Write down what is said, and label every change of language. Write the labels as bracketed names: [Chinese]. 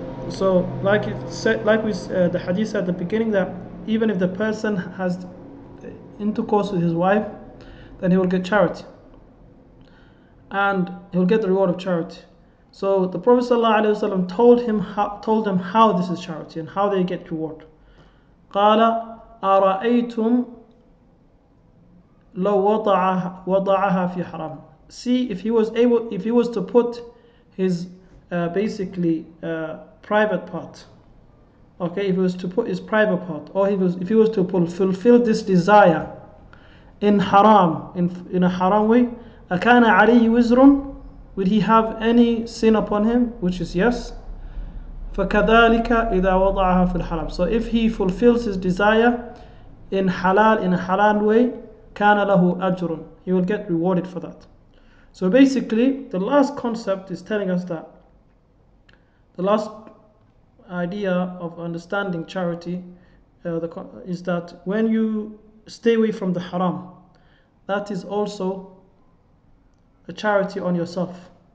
[English] So, the hadith at the beginning, that even if the person has intercourse with his wife, then he will get charity, and he will get the reward of charity. So the Prophet sallallahu alaihi wasallam told them how this is charity and how they get reward. [Arabic] قال أرأيتم لو وضعها في حرام. [English] See if he was able, if he was to put his basically private part. Okay, if he was to put his private part, or he was, if he was to fulfill this desire in haram, in a haram way, [Arabic] أكان عليه وزر, [English] would he have any sin upon him? Which is yes. [Arabic] فكذلك إذا وضعها في الحرام. [English] So if he fulfills his desire in halal, in a halal way, [Arabic] كان له أجر, [English] he will get rewarded for that. So basically, the last concept is telling us that the last idea of understanding charity is that when you stay away from the haram, that is also a charity on yourself.